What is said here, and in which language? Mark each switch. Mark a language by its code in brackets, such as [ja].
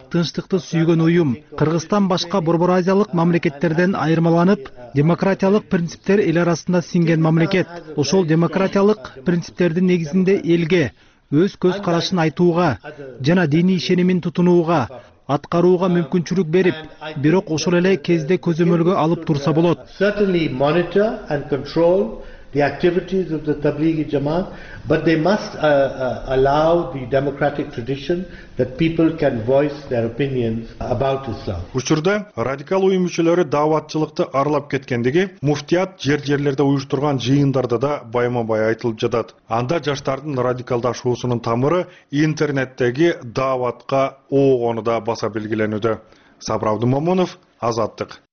[ky] Тынчтыкты сүйгөн уюм. Кыргызстан башка борбор азиялык мамлекеттерден айырмаланып, демократиялык принциптер эл арасында сиңген мамлекет. Ошол демократиялык принциптердин негизинде элге өз көз карашын айтууга жана диний ишенимин тутунууга, аткарууга мүмкүнчүлүк берип, бирок ошол эле кезде көзөмөлгө алып турса болот. [en] Certainly monitor and control the activities of the Tablighi Jamaat, but they must allow the democratic tradition that people can voice their opinions about Islam. [ky] Учурда радикал уюм мүчөлөрү даватчылыкты аралап кеткендиги, муфтият жер-жерлерде уюштурган жыйындарда да байма-бай айтылып жатат. Анда жаштардын радикалдашуусунун тамыры интернеттеги даватка оогону да баса белгиленүүдө. Сабыр Абдымомонов, Азаттык.